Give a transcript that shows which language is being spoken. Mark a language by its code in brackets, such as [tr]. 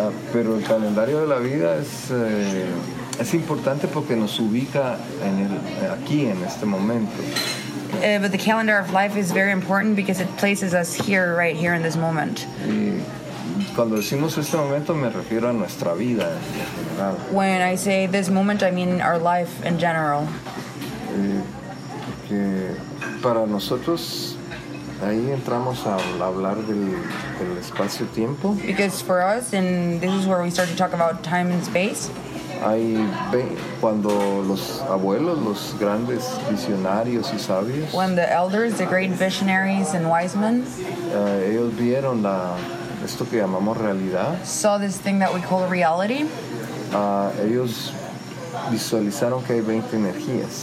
[es] Pero el calendario de la vida es es importante porque nos ubica en el aquí en este momento. [en] But the calendar of life is very important because it places us here, right here in this moment. [es] cuando decimos este momento, me refiero a nuestra vida en general. [en] When I say this moment, I mean our life in general. [es] Que para nosotros, ahí entramos a hablar del espacio-tiempo. [en] Because for us, and this is where we start to talk about time and space. [es] Ahí ve, cuando los abuelos, los grandes visionarios y sabios. [en] When the elders, the great visionaries and wise men. [es] Ellos vieron la esto que llamamos realidad. [en] Saw this thing that we call reality. [es] Ellos visualizaron que hay 20 energías.